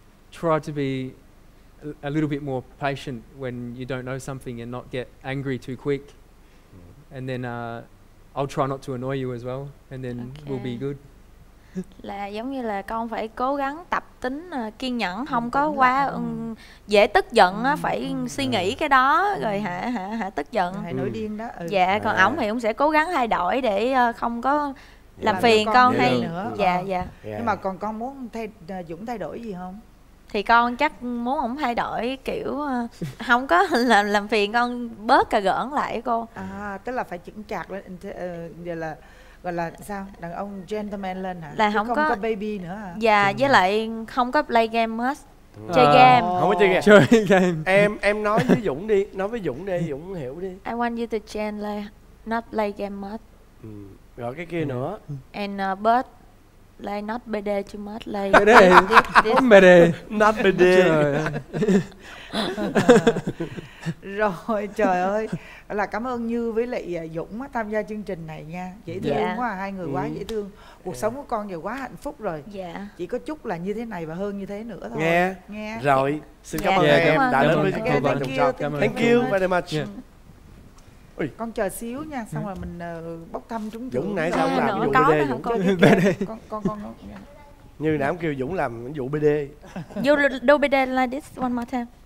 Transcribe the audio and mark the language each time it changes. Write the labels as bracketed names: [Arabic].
[English] Try to be a little bit more patient when you don't know something and not get angry too quick. And then I'll try not to annoy you as well, and then we'll be good. [Vietnamese] Là giống như là con phải cố gắng tập tính kiên nhẫn, không có quá dễ tức giận, phải suy nghĩ cái đó rồi hả tức giận. Hãy nổi điên đó. Dạ, còn ổng thì ổng sẽ cố gắng thay đổi để không có làm phiền con hay nữa. Nhưng mà còn con muốn Dũng thay đổi gì không? Thì con chắc muốn ổng thay đổi kiểu không có làm phiền con, bớt cà gỡn lại cô. Tức là phải chững chạc lên, gọi là sao, đàn ông gentleman lên hả? Là không có baby nữa hả? Dạ, với lại không có [English] play game [Vietnamese] hết. Chơi game. Không có chơi game. Chơi game. Em nói với Dũng đi, Dũng hiểu đi. [English] I want you to change, like, not play game [Vietnamese] hết. Rồi cái kia nữa. [English] And but like not bd too much, like [Vietnamese] bd. Không bd. [English] Not bd. [Vietnamese] Rồi trời ơi. Là cảm ơn Như với lại Dũng tham gia chương trình này nha. Dễ thương quá, hai người quá dễ thương. Cuộc sống của con giờ quá hạnh phúc rồi. Chỉ có chút là như thế này và hơn như thế nữa thôi. Nghe. Rồi, xin cảm ơn em đã đến với chương trình. [English] Thank you very much. [Vietnamese] Con chờ xíu nha, xong rồi mình bốc thăm chúng Dũng nãy sao làm vụ BD đó, Dũng. Con Như nãy kêu Dũng làm vụ BD. [English] You do BD like this one more time.